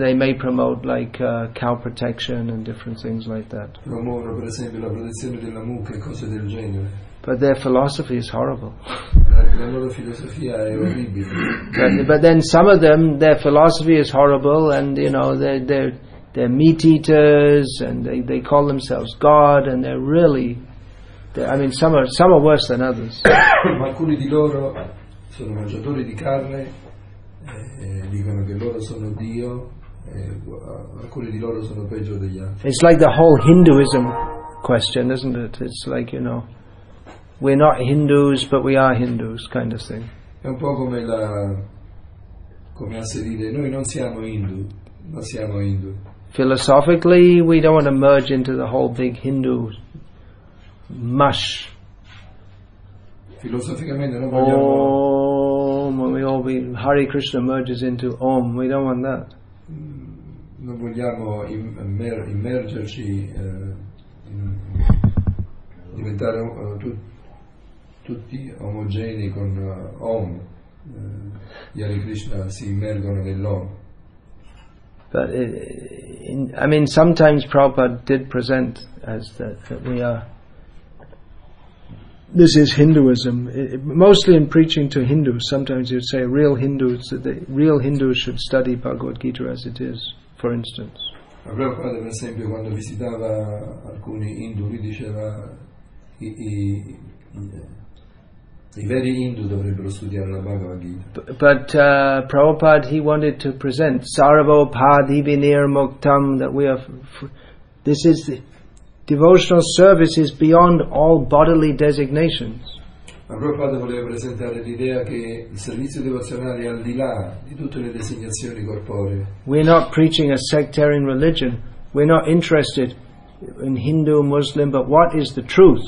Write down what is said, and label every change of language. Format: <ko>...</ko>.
<en>They may promote like cow protection and different things like that.</en> <it>Promuovono per esempio la protezione della mucca e cose del genere.</it> <en>But their philosophy is horrible.</en> <it>La loro filosofia è orribile.</it> <en>But then some of them, their philosophy is horrible, and you know they're meat eaters, and they call themselves God, and they're really, I mean, some are worse than others.</en> <it>Ma alcuni di loro sono mangiatori di carne, dicono che loro sono Dio, alcuni di loro sono peggio degli altri.</it> <en>It's like the whole Hinduism question, isn't it? It's like, you know, we're not Hindus, but we are Hindus, kind of thing.</en> <it>È un po' come asserire, noi non siamo Hindu, ma siamo Hindu.</it> <en>Philosophically, we don't want to merge into the whole big Hindu mush.</en> <it>Filosoficamente non vogliamo.</it> <en>Om, Hare Krishna merges into Om. We don't want that.</en> <it>Non vogliamo immergerci, diventare tutti omogenei con Om. Gli Hare Krishna si immergono nell'Om.</it> <en>But I mean, sometimes Prabhupada did present as that we are. This is Hinduism. Mostly in preaching to Hindus, sometimes you'd say real Hindus, that the real Hindus should study Bhagavad Gita as it is, for instance.</en> <it>Ma Prabhupada, per esempio, quando visitava alcuni Hindu, lui diceva I veri Hindu dovrebbero studiare la Bhagavad Gita.</it> <en>But Prabhupada, he wanted to present Sarva-Padhivinir-Muktam, that we are this is the devotional service is beyond all bodily designations.</en> <it>Ma Prabhupada voleva presentare l'idea che il servizio devozionale è al di là di tutte le designazioni corporee.</it> <en>We're not preaching a sectarian religion. We're not interested in Hindu, Muslim, but what is the truth?</en>